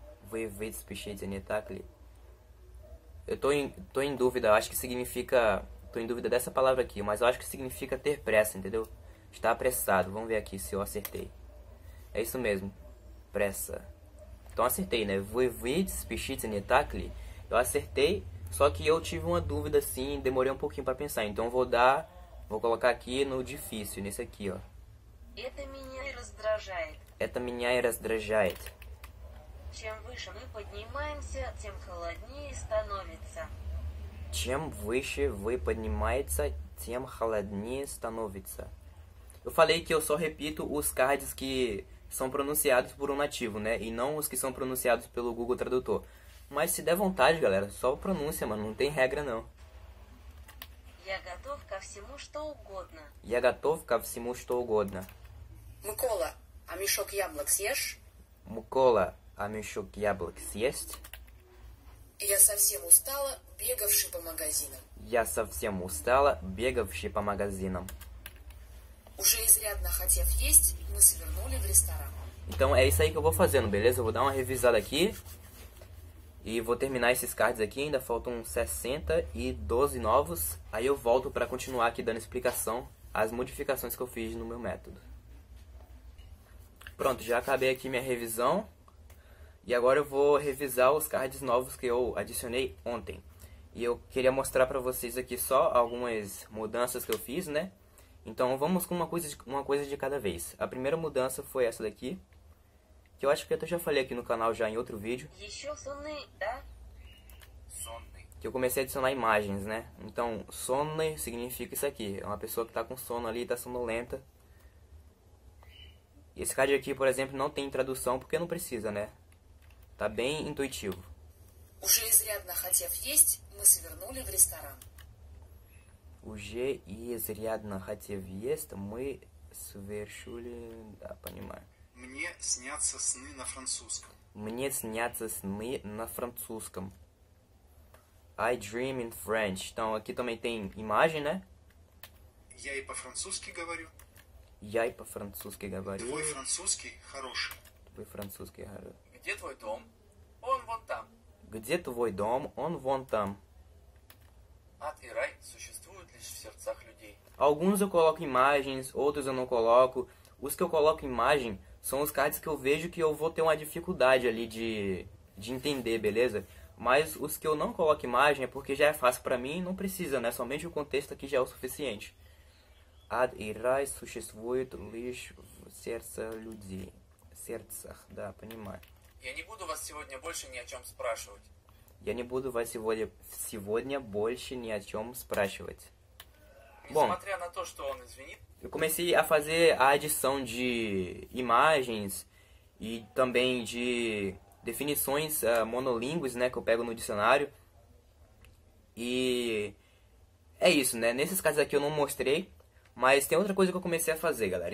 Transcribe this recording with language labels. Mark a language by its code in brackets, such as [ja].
[ru] Вы ведь спешите, не так ли? [pt] Eu tô em dúvida, acho que significa... Tô em dúvida dessa palavra aqui, mas eu acho que significa ter pressa, entendeu? Estar apressado. Vamos ver aqui se eu acertei. É isso mesmo. Pressa. Então acertei, né? [ru] Вы ведь спешите, не так ли? [pt] Eu acertei, Só que eu tive uma dúvida assim, demorei um pouquinho para pensar. Então vou dar, vou colocar aqui no difícil, nesse aqui, ó. [ru] Это меня раздражает. Это меня и раздражает. Чем выше мы поднимаемся, тем холоднее становится. Чем выше вы поднимается, тем холоднее становится. [pt] Eu falei que eu só repito os cards que são pronunciados por um nativo, né? E não os que são pronunciados pelo Google Tradutor. Mas se der vontade, galera, só pronúncia, mano. Não tem regra, não. [ru] Я готов ко всему, что угодно. Я готов ко всему, что угодно. Микола, а мешок яблок съешь? Микола, а мешок яблок съесть? Я совсем устала, бегавши по магазинам. Я совсем устала, бегавши по магазинам. Уже изрядно хотев есть, мы свернули в ресторан. [pt] Então é isso aí que eu vou fazendo, beleza? Eu vou dar uma revisada aqui. E vou terminar esses cards aqui. Ainda faltam 62 novos. Aí eu volto para continuar aqui dando explicação às modificações que eu fiz no meu método. Pronto, já acabei aqui minha revisão. E agora eu vou revisar os cards novos que eu adicionei ontem. E eu queria mostrar para vocês aqui só algumas mudanças que eu fiz, né? Então vamos com uma coisa de cada vez. A primeira mudança foi essa daqui, que eu acho que eu já falei aqui no canal já em outro vídeo, [ru] Еще сонный, да? [pt] que eu comecei a adicionar imagens, né? Então sonne significa isso aqui, é uma pessoa que está com sono ali, está sonolenta. Esse card aqui, por exemplo, não tem tradução porque não precisa, né? Tá bem intuitivo. [ru] Уже изрядно хотев есть, мы свернули в ресторан. Уже изрядно хотев есть, мы совершили... Да, понимаю. Мне снятся сны на французском. Мне снятся сны на французском. [en] I dream in French. [pt] Então, aqui também tem imagem, né? [ru] Я и по-французски говорю. Я и по-французски говорю. Твой французский хороший. Твой французский хороший. Где твой дом? Он вон там. Где твой дом? Он вон там. Ад и рай существуют лишь в сердцах людей. [pt] Alguns eu coloco imagens, outros eu não coloco. Os que eu coloco imagem são os cards que eu vejo que eu vou ter uma dificuldade ali de entender, beleza? Mas os que eu não coloco imagem é porque já é fácil para mim e não precisa, né? Somente o contexto aqui já é o suficiente. [ru] Ad irae существует лишь в сердцах людей. Сердцах, да, понимаю. Я не буду вас сегодня больше ни о чем спрашивать. Я не буду вас сегодня больше ни о чем спрашивать. Бом. Несмотря на то, что он извинит. [pt] Eu comecei a fazer a adição de imagens e também de definições monolíngues, né, que eu pego no dicionário. E é isso, né? Nesses casos aqui eu não mostrei, mas tem outra coisa que eu comecei a fazer, galera.